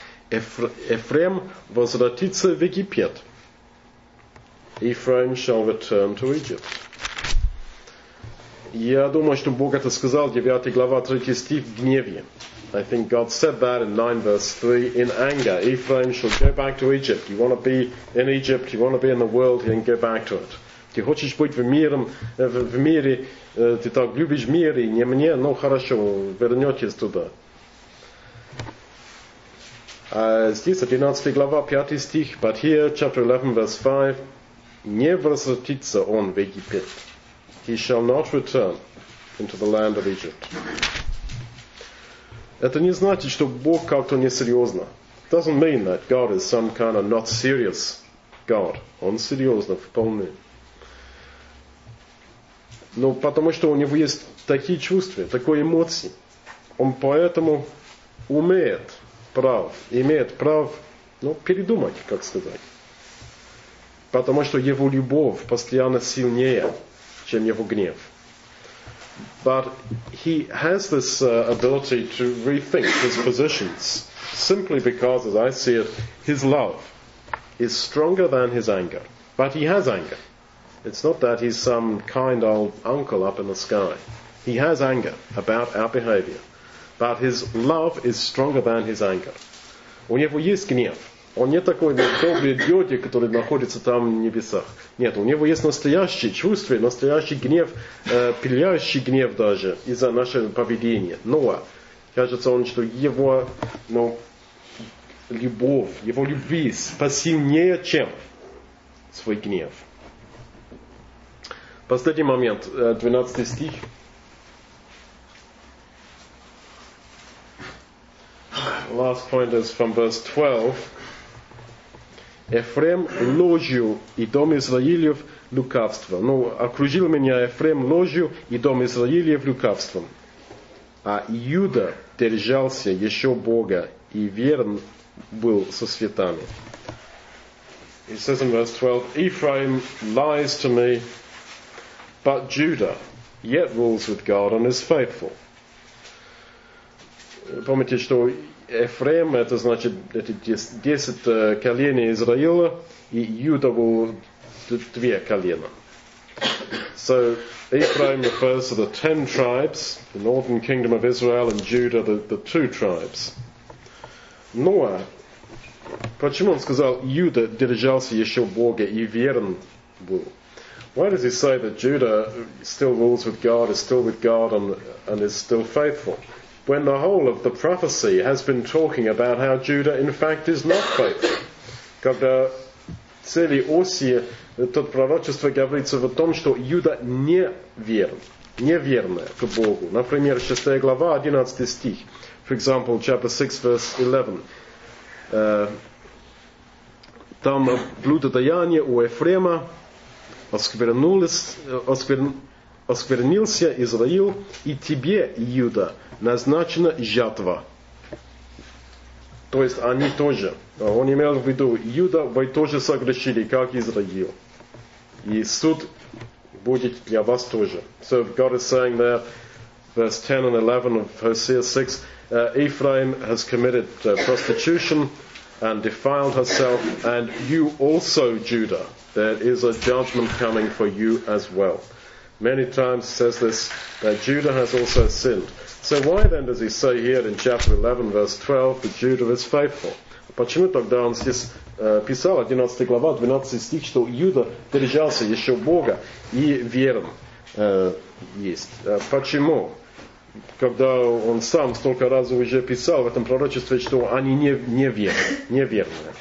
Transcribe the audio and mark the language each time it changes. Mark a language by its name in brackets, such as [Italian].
[Russian] Ефрем возвратится в Египет. [English] Ephraim shall return to Egypt. [Russian] Я думаю, что Бог это сказал, 9 глава, 3 стих, в гневе. [English] I think God said that in 9 verse 3, in anger, Ephraim shall go back to Egypt. You want to be in Egypt, you want to be in the world, then go back to it. [Russian] Ты хочешь быть в мире, ты так любишь мир, и не мне, ну хорошо, вернетесь туда. Здесь 11 глава, 5 стих, [English] but here, chapter 11 verse 5, [Russian] не возвратится он в Египет. [English] He shall not return into the land of Egypt. [Russian] Это не значит, что Бог как-то несерьезно. [English] It doesn't mean that God is some kind of not serious God. [Russian] Он серьезно, вполне. Но потому что у него есть такие чувства, такие эмоции. Он поэтому умеет, прав, имеет прав, ну, передумать, как сказать. Потому что его любовь постоянно сильнее, чем его гнев. [English] But he has this ability to rethink his positions simply because, as I see it, his love is stronger than his anger. But he has anger. It's not that he's some kind old uncle up in the sky. He has anger about our behavior, but his love is stronger than his anger. [Russian] У него есть гнев. Он не такой добрый дядя, который находится там в небесах. Нет, у него есть настоящие чувства, настоящий гнев, пылающий гнев даже из-за нашего поведения. Но кажется он, что его любовь, его любви посильнее, чем свой гнев. Последний момент, 12 стих. [English] Last point is from verse 12. [Russian] Ефрем ложью и дом Израилев лукавство. Ну, окружил меня Ефрем ложью и дом Израилев лукавством. А Иуда держался еще Бога и верен был со святами. [English] He says in verse 12, Ephraim lies to me, but Judah yet rules with God and is faithful. [Russian] Помните, что Ефрем, это значит эти 10 колен Израиля, и Иуда был 2 колена. [English] So Ephraim refers to the 10 tribes, the northern kingdom of Israel, and Judah, the 2 tribes. [Russian] Noah, почему он сказал, Иуда держался еще Бога и верен был? [English] Why does he say that Judah still rules with God, is still with God, and is still faithful? When the whole of the prophecy has been talking about how Judah, in fact, is not faithful. [Russian] Когда цели оси, тот пророчество говорится в том, что Иуда не верен, не верный к Богу. Например, 6 глава, 11 стих. [English] For example, chapter 6, verse 11. [Russian] Там блудодеяние у Ефрема, осквернился Израил, и тебе, Иуда, назначена жатва. То есть они тоже. Он имел в виду, Иуда, вы тоже согрешили, как Израил. И суд будет для вас тоже. [English] So God is saying there, verse 10 and 11 of Hosea 6, Ephraim has committed prostitution and defiled herself, and you also, Judah, there is a judgment coming for you as well. Many times says this, that Judah has also sinned. So why then does he say here in chapter 11, verse 12, that Judah is faithful? [Russian] Почему тогда он здесь писал, 11 глава, 12 стих, что Иуда держался еще Бога и верен есть? Почему? Когда он сам столько раз уже писал в этом пророчестве, что они неверны.